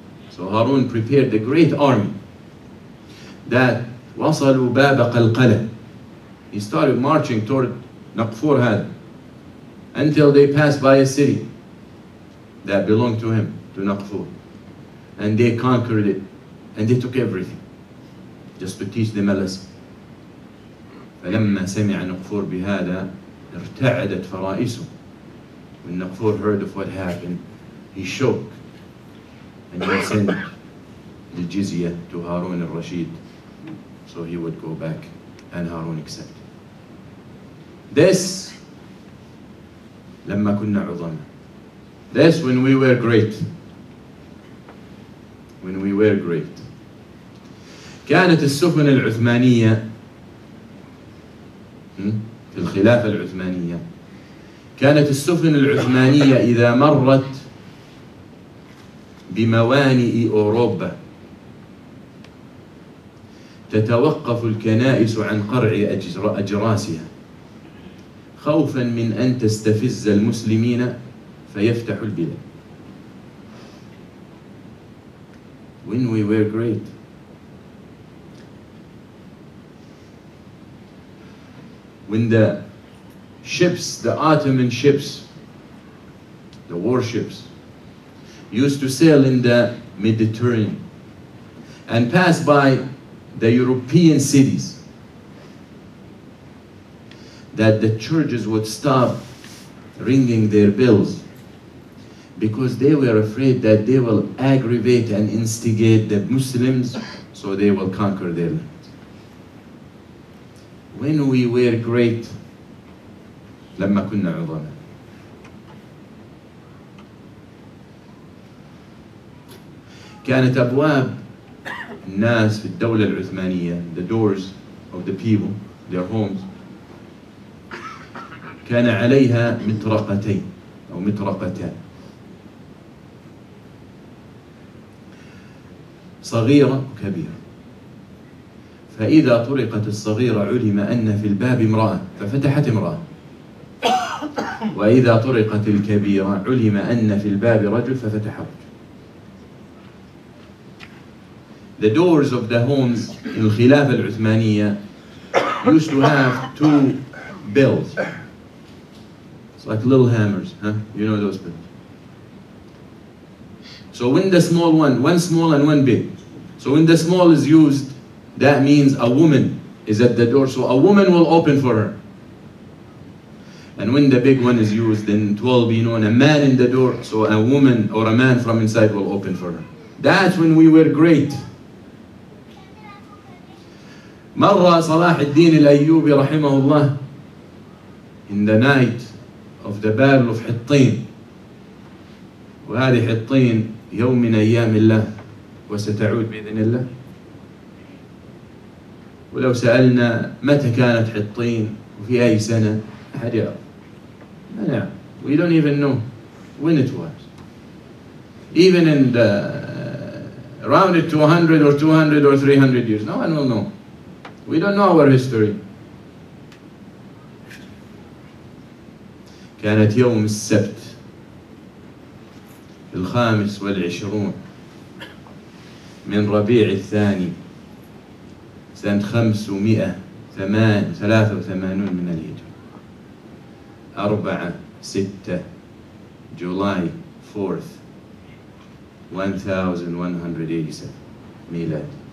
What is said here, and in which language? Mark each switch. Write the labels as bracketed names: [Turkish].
[English] So Harun prepared a great army that [Arabic] وصلوا باب قلقلة. [English] He started marching toward نقفور هذا until they passed by a city that belonged to him, to نقفور. And they conquered it and they took everything just to teach them a lesson. [Arabic] فلما سمع نقفور بهذا ارتعدت فرائسه. [English] When Naqfur heard of what happened, he shook and he sent the jizya to Harun al-Rashid so he would go back and Harun accepted. [Arabic] This, لما كنا عظاما. [English] This when we were great. When we were great. [Arabic] كانت السفن العثمانية في الخلافة العثمانية كانت السفن العثمانية إذا مرت بموانئ أوروبا تتوقف الكنائس عن قرع أجراسها خوفا من أن تستفز المسلمين فيفتح البلاد. [English] When we were great, when the ships, the Ottoman ships, the warships, used to sail in the Mediterranean and pass by the European cities, that the churches would stop ringing their bells because they were afraid that they will aggravate and instigate the Muslims so they will conquer their land. When we were great, [Arabic] لما كنا عظاما. كانت أبواب الناس في الدولة العثمانية, [English] the doors of the people, their homes, [Arabic] كان عليها مطرقتين أو مطرقتان صغيرة وكبيرة. فإذا طرقت الصغيرة علم أن في الباب امرأة ففتحت امرأة, وإذا طرقت الكبيرة علم أن في الباب رجل ففتح رجل. [English] The doors of the homes in الخلافة العثمانية used to have two bells. It's like little hammers, huh? You know those bells. So when the small one small and one big. So when the small is used, that means a woman is at the door, so a woman will open for her. And when the big one is used, then it will be known a man in the door, so a woman or a man from inside will open for her. That's when we were great. [Arabic] مرة صلاح الدين الأيوبي رحمه الله, [English] in the night of the battle of [Arabic] حطين, وهذه حطين يوم من أيام الله وستعود بإذن الله. ولو سألنا متى كانت حطين وفي أي سنة أحد يعرف. [English] Yeah, we don't even know when it was. Even in the rounded to 100 or 200 or 300 years, no one will know. We don't know our history. [Arabic] كانت يوم السبت في 25 من ربيع الثاني سنة 583 من الهجرة، 4/6 جولاي 4th 1187 ميلاد